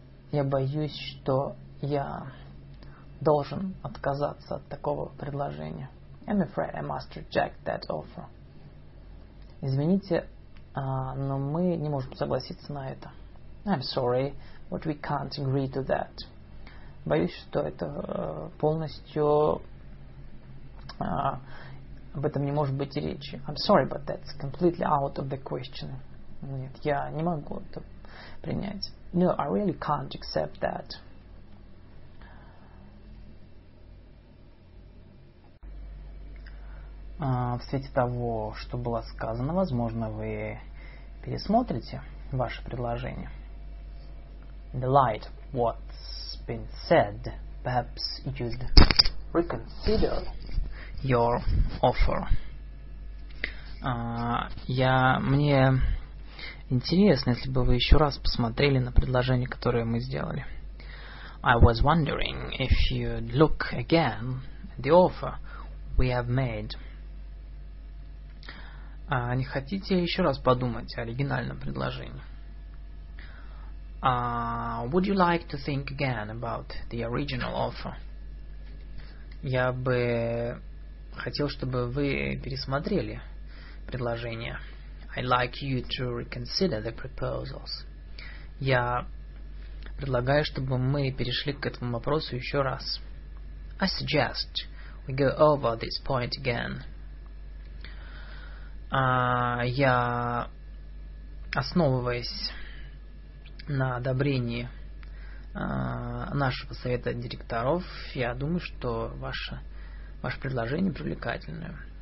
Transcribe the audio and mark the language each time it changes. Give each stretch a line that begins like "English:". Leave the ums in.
Russian: Я боюсь, что я должен отказаться от такого предложения.
English: I'm afraid I must reject that offer.
Russian: Извините, uh, но мы не можем согласиться на это.
English: I'm sorry, but we can't agree to that.
Russian: Боюсь, что это полностью uh, об этом не может быть и речи.
English: I'm sorry, but that's completely out of the question.
Russian: Нет, я не могу это принять.
English: No, I really can't accept that.
Russian: Uh, в свете того, что было сказано, возможно, вы пересмотрите ваше предложение.
English: In the light of what's been said, perhaps you'd reconsider your offer.
Russian: Uh, я yeah, мне Интересно, если бы вы еще раз посмотрели на предложение, которое мы сделали.
English: I was wondering if you'd look again at the offer we have made.
Russian: А uh, не хотите еще раз подумать о оригинальном предложении?
English: Uh, would you like to think again about the original offer?
Russian: Я бы хотел, чтобы вы пересмотрели предложение.
English: I'd like you to reconsider the proposals.
Russian: Я предлагаю, чтобы мы перешли к этому вопросу еще раз.
English: I suggest we go over this point again.
Russian: Uh, я основываясь на одобрении uh, нашего совета директоров, я думаю, что ваше ваше предложение привлекательное.